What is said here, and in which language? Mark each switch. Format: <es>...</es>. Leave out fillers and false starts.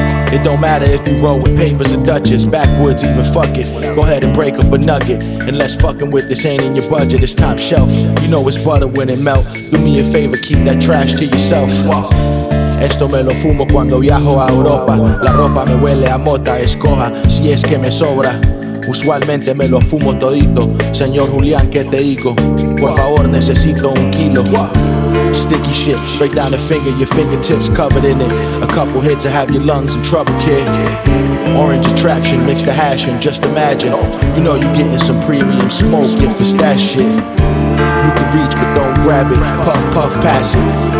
<en>It don't matter if you roll with papers or Dutchess, backwoods even fuck it. Go ahead and break up a nugget. And less fucking with this ain't in your budget, it's top shelf. You know it's butter when it melt. Do me a favor, keep that trash to yourself.</en> <es>Esto me lo fumo cuando viajo a Europa. La ropa me huele a mota, escoja si es que me sobra. Usualmente me lo fumo todito. Señor Julián, ¿qué te digo? Por favor, necesito un kilo.</es> <en>Sticky shit, break down the finger, your fingertips covered in it. A couple hits to have your lungs in trouble, kid. Orange attraction, mix the hash and just imagine. You know you're getting some premium smoke if it's that shit. You can reach but don't grab it, puff puff pass it.</en>